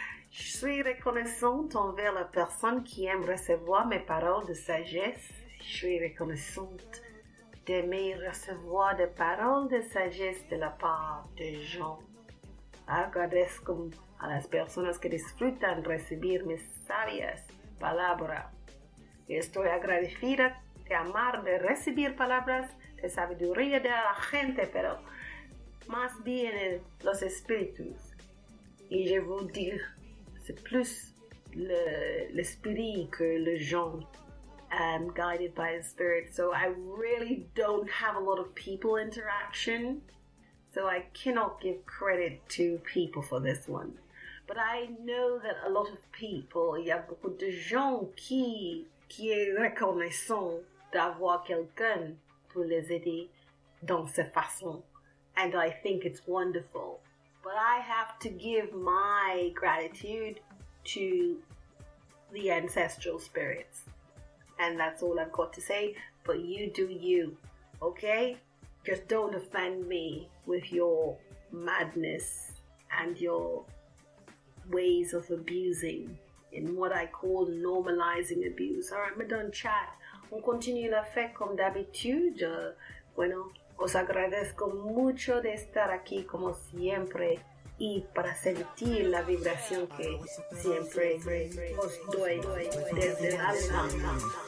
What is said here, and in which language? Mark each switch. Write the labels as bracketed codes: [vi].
[fr] Je suis reconnaissante envers la personne qui aime recevoir mes paroles de sagesse. Je suis reconnaissante d'aimer recevoir des paroles de sagesse de la part de gens. [es] Agradezco a las personas que disfrutan recibir mis sabias palabras. Estoy agradecida de amar de recibir palabras de sabiduría de la gente, pero más bien los espíritus. [fr] Y je vous dire, c'est plus l'esprit que le gens. [en] I'm guided by the spirit, so I really don't have a lot of people interaction, so I cannot give credit to people for this one. But I know that a lot of people, [fr] il y a beaucoup de gens qui est reconnaissant d'avoir quelqu'un pour les aider dans cette façon, [en] and I think it's wonderful. But I have to give my gratitude to the ancestral spirits. And that's all I've got to say, but you do you, okay? Just don't offend me with your madness and your ways of abusing in what I call normalizing abuse. All right, we're done chat. [fr] On continue la fête comme d'habitude. [es] Bueno, os agradezco mucho de estar aquí como siempre. Y para sentir la vibración que siempre os doy desde el alma.